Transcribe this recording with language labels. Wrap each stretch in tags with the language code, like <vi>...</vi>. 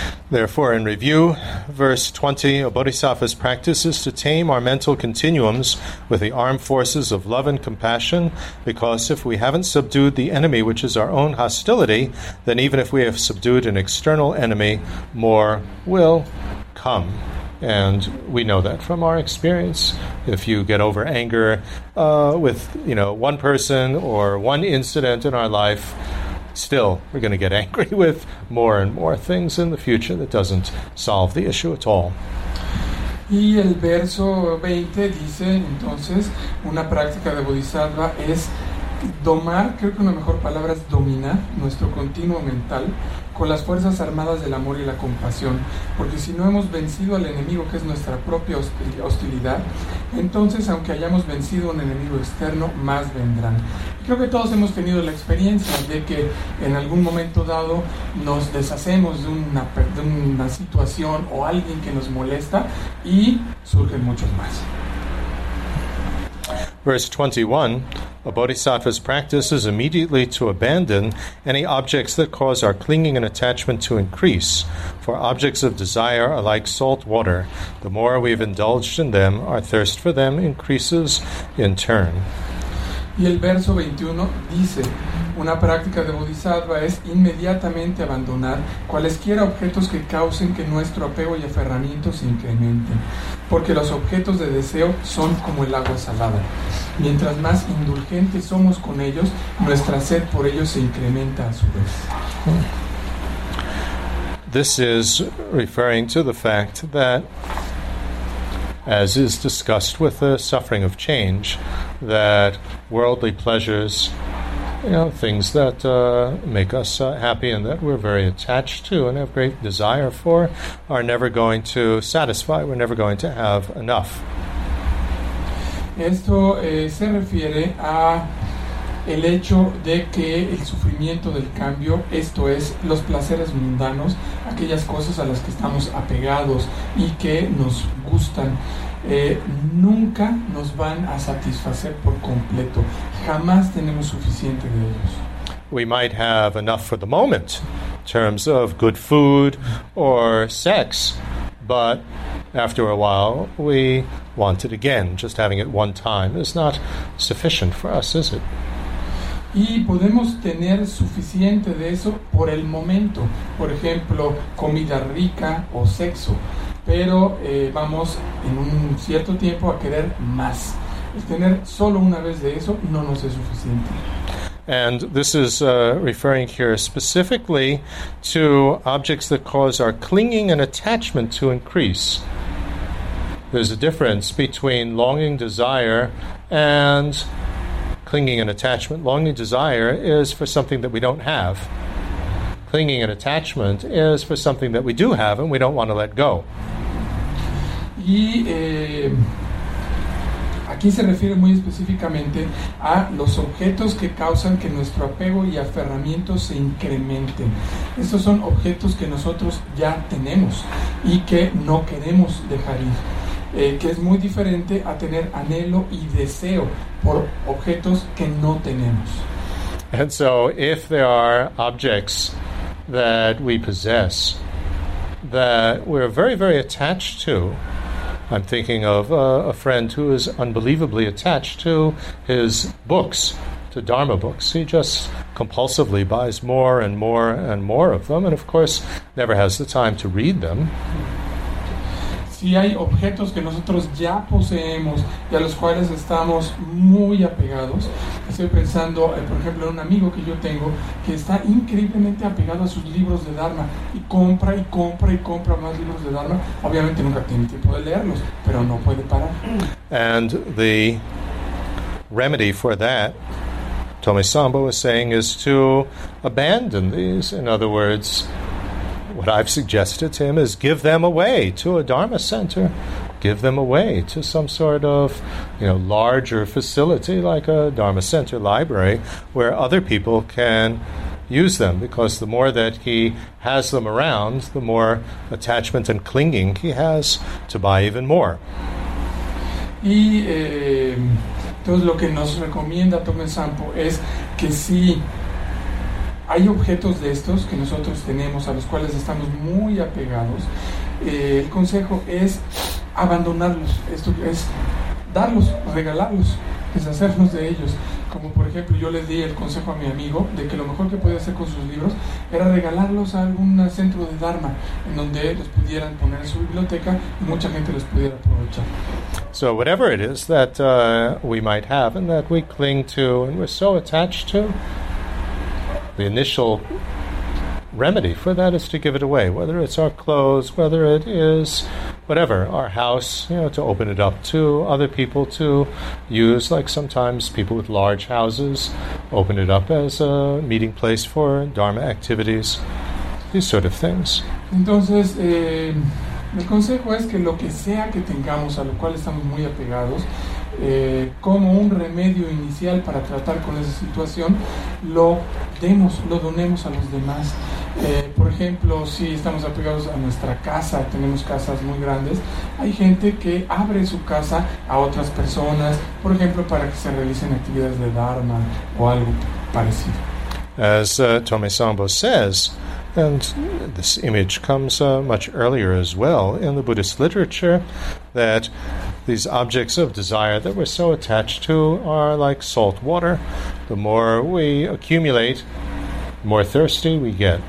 <en>Therefore, in review, verse 20, a bodhisattva's practice is to tame our mental continuums with the armed forces of love and compassion, because if we haven't subdued the enemy, which is our own hostility, then even if we have subdued an external enemy, more will come. And we know that from our experience. If you get over anger with, you know, one person or one incident in our life, still we're going to get angry with more and more things in the future. That doesn't solve the issue at all.</en> <es>Y el verso 20 dice, entonces, una práctica de bodhisattva es domar, creo que una mejor palabra es dominar, nuestro continuo mental con las fuerzas armadas del amor y la compasión, porque si no hemos vencido al enemigo, que es nuestra propia hostilidad, entonces aunque hayamos vencido un enemigo externo, más vendrán. Creo que todos hemos tenido la experiencia de que en algún momento dado nos deshacemos de una situación o alguien que nos molesta y surgen muchos más.</es> <en>Verse 21, a bodhisattva's practice is immediately to abandon any objects that cause our clinging and attachment to increase. For objects of desire are like salt water. The more we have indulged in them, our thirst for them increases in turn.</en> <es>Y el verso 21 dice, una práctica de bodhisattva es inmediatamente abandonar cualesquiera objetos que causen que nuestro apego y aferramiento se incrementen, porque los objetos de deseo son como el agua salada. Mientras más indulgentes somos con ellos, nuestra sed por ellos se incrementa a su vez.</es> <en>This is referring to the fact that, as is discussed with the suffering of change, that worldly pleasures, you know, things that make us happy and that we're very attached to and have great desire for, are never going to satisfy. We're never going to have enough.</en> <es>Esto se refiere a el hecho de que el sufrimiento del cambio, esto es, los placeres mundanos, aquellas cosas a las que estamos apegados y que nos gustan, nunca nos van a satisfacer por completo. Jamás tenemos suficiente de ellos.</es> <en>We might have enough for the moment in terms of good food or sex, but after a while we want it again. Just having it one time is not sufficient for us, is it?</en> <es>Y podemos tener suficiente de eso por el momento, por ejemplo, comida rica o sexo, pero vamos en un cierto tiempo a querer más. El tener solo una vez de eso no nos es suficiente.</es> <en>And this is referring here specifically to objects that cause our clinging and attachment to increase. There's a difference between longing, desire, and clinging and attachment. Longing, desire is for something that we don't have. Clinging and attachment is for something that we do have and we don't want to let go.</en> <es>Y aquí se refiere muy específicamente a los objetos que causan que nuestro apego y aferramiento se incrementen. Estos son objetos que nosotros ya tenemos y que no queremos dejar ir. Que es muy diferente a tener anhelo y deseo por objetos que no tenemos.</es> <en>And so, if there are objects that we possess that we're very, very attached to, I'm thinking of a friend who is unbelievably attached to his books, to Dharma books. He just compulsively buys more and more and more of them, and of course, never has the time to read them.</en> <es>Si hay objetos que nosotros ya poseemos y a los cuales estamos muy apegados, estoy pensando, por ejemplo, en un amigo que yo tengo que está increíblemente apegado a sus libros de Dharma y compra y compra y compra más libros de Dharma. Obviamente nunca tiene tiempo de leerlos, pero no puede parar.</es> <en>And the remedy for that, Tomi Sambo was saying, is to abandon these. In other words, what I've suggested to him is give them away to a Dharma center. Give them away to some sort of, you know, larger facility like a Dharma center library where other people can use them, because the more that he has them around, the more attachment and clinging he has to buy even more.</en> <es>Y entonces lo que nos recomienda Tomé Sampo es que si hay objetos de estos que nosotros tenemos a los cuales estamos muy apegados, el consejo es abandonarlos. Esto es darlos, regalarlos, deshacernos de ellos. Como por ejemplo, yo le di el consejo a mi amigo de que lo mejor que podía hacer con sus libros era regalarlos a algún centro de Dharma en donde los pudieran poner en su biblioteca y mucha gente los pudiera aprovechar.</es> <en>So whatever it is that we might have and that we cling to and we're so attached to, the initial remedy for that is to give it away, whether it's our clothes, whether it is whatever, our house, you know, to open it up to other people to use, like sometimes people with large houses open it up as a meeting place for Dharma activities, these sort of things.</en> <es>Entonces, el consejo es que lo que sea que tengamos a lo cual estamos muy apegados, como un remedio inicial para tratar con esa situación, lo demos, lo donemos a los demás. Por ejemplo, si estamos apegados a nuestra casa, tenemos casas muy grandes, hay gente que abre su casa a otras personas, por ejemplo, para que se realicen actividades de Dharma o algo parecido.</es> <en>As Tomé Sambo says, and this image comes much earlier as well in the Buddhist literature, that these objects of desire that we're so attached to are like salt water. The more we accumulate, the more thirsty we get.</en>